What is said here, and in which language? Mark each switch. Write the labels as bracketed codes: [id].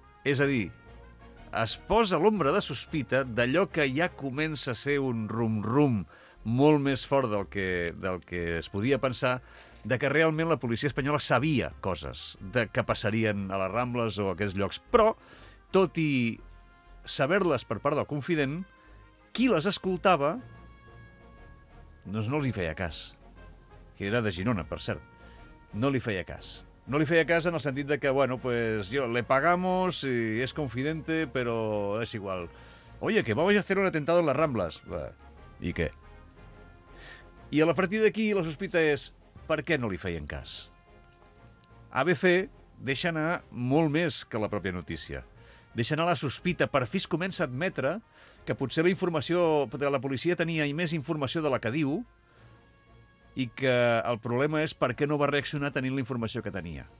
[ca] És a dir, es posa l'ombra de sospita d'allò que ja comença a ser un rum-rum molt més fort del que es podia pensar, de que realment la policia espanyola sabia coses de que passarien a les Rambles o a aquests llocs, però, tot i saber-les per part del confident, qui les escoltava no li feia cas. Que era de Girona, per cert. No li feia cas. No li feia cas en el sentit de que, [es] bueno, pues yo le pagamos y es confidente, pero es igual. Oye, que vamos a hacer un atentado en las Rambles. ¿Y qué? [ca] I a la partir d'aquí la sospita és per què no li feien cas. ABC deixa anar molt més que la pròpia notícia. Deixa anar la sospita. Per fi es comença a admetre que potser la informació de la policia tenia més informació de la que diu i que el problema és per què no va reaccionar tenint la informació que tenia.